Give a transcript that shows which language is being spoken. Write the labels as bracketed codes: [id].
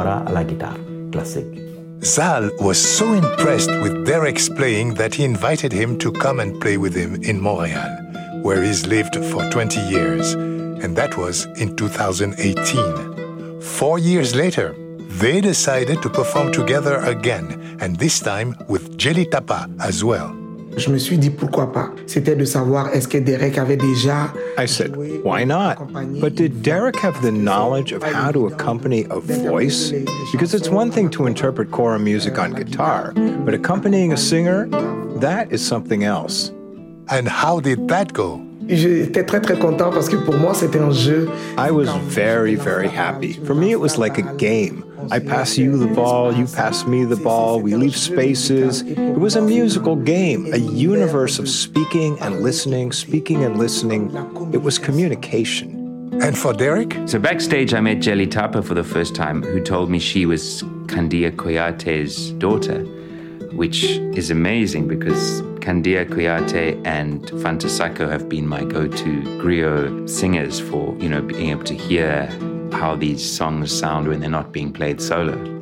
[en] Zal was so impressed with Derek's playing that he invited him to come and play with him in Montréal, where he's lived for 20 years. And that was in 2018. 4 years later, they decided to perform together again, and this time with Jelly Tapa as well. [fr] Je me suis dit pourquoi pas. C'était de savoir est-ce que Derek avait déjà. [en] I said, why not? But did Derek have the knowledge of how to accompany a voice? Because it's one thing to interpret Cora music on guitar, but accompanying a singer, that is something else. And how did that go? [fr] J'étais très très content parce que pour moi c'était un jeu. [en] I was very very happy. For me it was like a game. I pass you the ball, you pass me the ball, we leave spaces. It was a musical game, a universe of speaking and listening, speaking and listening. It was communication. And for Derek? So backstage I met Jelly Tapa for the first time, who told me she was Candia Kouyaté's daughter, which is amazing because Candia Kouyaté and Fanta Sako have been my go-to griot singers for, you know, being able to hear how these songs sound when they're not being played solo.